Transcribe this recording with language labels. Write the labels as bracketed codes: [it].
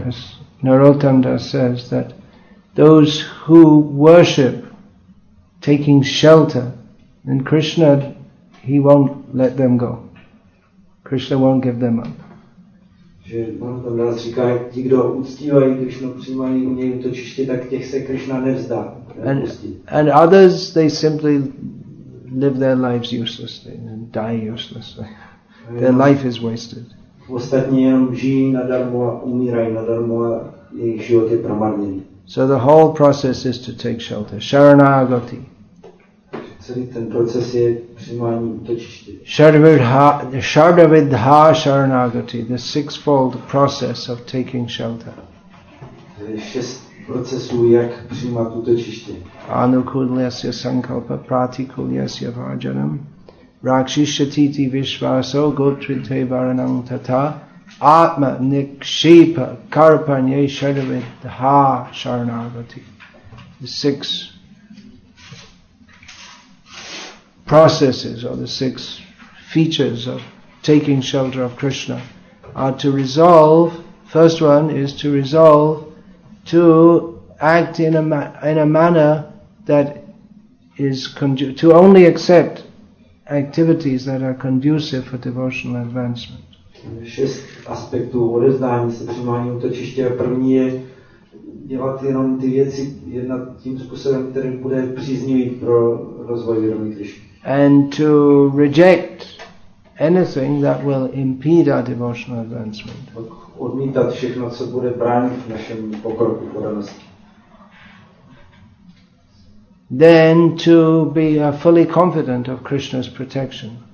[en] As Narottam Das says, that those who worship taking shelter in Krishna, he won't let them go. Krishna won't give them up. [cs] Že Narottam Das říká, ti, kdo uctívají Krishna, přijímají u něj útočiště, tak těch se Krishna nevzdá. [en] And others, they simply live their lives uselessly and die uselessly. Their life is wasted. [cs] Ostatní jenom žijí nadarmo a umírají nadarmo a jejich život je promarněný. [en] So the whole process is to take shelter. [sa] Sharanagati. [cs] Celý ten proces je přijímání útočiště. [en] Sharvidha Sharanagati, the sixfold process of taking shelter. [cs] Šest procesů, jak přijímat útočiště. [sa] Anukulyasya sankalpa, pratikulyasya vajanam. Rakshishatiti Vishvaso Gotrite Varanam Tata Atma Nikshipa Karpanye Shadavidha Sharanagati. [en] The six processes, or the six features of taking shelter of Krishna, are to resolve. First one is to resolve to act in a manner that is to only accept activities that are conducive for devotional advancement. [cs] Šest aspektů odevzdání se přijímání útočiště. První je dělat jenom ty věci jednat tím způsobem, který bude příznivý pro rozvoj vědomí Krishna. [en] And to reject anything that will impede our devotional advancement. [cs] Odmítat všechno, co bude bránit v našem pokroku, podanosti. [en] Then to be fully confident of Krishna's protection.